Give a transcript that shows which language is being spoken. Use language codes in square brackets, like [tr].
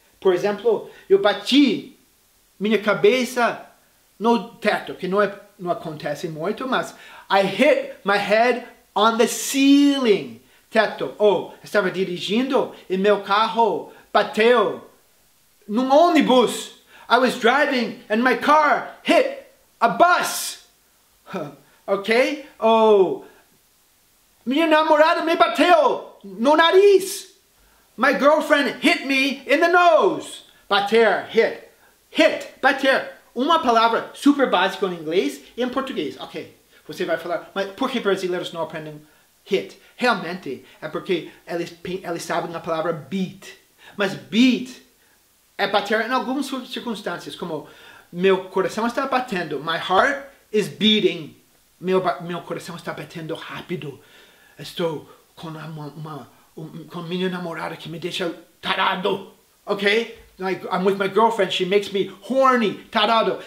[pt] Por exemplo, eu bati minha cabeça no teto, que não acontece muito, mas [en] I hit my head on the ceiling. [pt] Teto, ou estava dirigindo e meu carro bateu num ônibus. [en] I was driving and my car hit a bus. [pt] Ok? Ou minha namorada me bateu no nariz. [en] My girlfriend hit me in the nose. Bater, hit. Hit, bater. [pt] Uma palavra super básica em inglês e em português. Ok, você vai falar, mas por que brasileiros não aprendem hit? Realmente, é porque eles sabem a palavra beat. Mas beat é bater em algumas circunstâncias, como meu coração está batendo, [en] my heart is beating. [pt] Meu coração está batendo rápido. Estou com com minha namorada que me deixa tarado, ok? [en] Like, I'm with my girlfriend, she makes me horny, tarado.